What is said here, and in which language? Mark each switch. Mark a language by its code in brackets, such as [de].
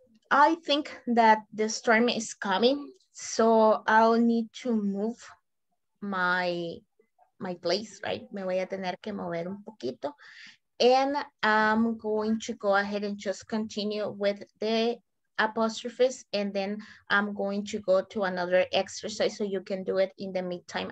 [en] I think that the storm is coming, so I'll need to move my place, right? [es] Me voy a tener que mover un poquito. [en] And I'm going to go ahead and just continue with the apostrophes, and then I'm going to go to another exercise so you can do it in the meantime.